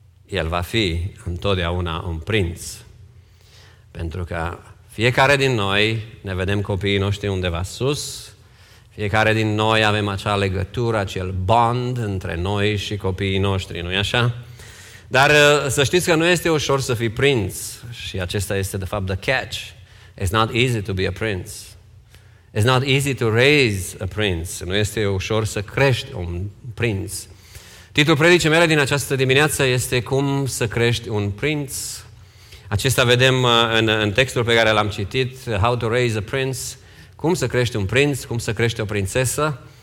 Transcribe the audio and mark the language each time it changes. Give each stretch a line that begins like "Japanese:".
Romanian: El va fi întotdeauna un prinț. Pentru că fiecare din noi ne vedem copiii noștri undeva sus, fiecare din noi avem acea legătură, acel bond între noi și copiii noștri, nu-i așa? Dar să știți că nu este ușor să fii prinț și acesta este de fapt
English: the catch. It's not easy to be a prince. It's not easy to raise a prince.
Romanian: Nu este ușor să crești un prinț. Titlul predicii mele din această dimineață este cum să crești un prinț. Acesta vedem în textul pe care l-am citit,
English: How to raise a prince,
Romanian: cum să crești un prinț, cum să crești o prințesă.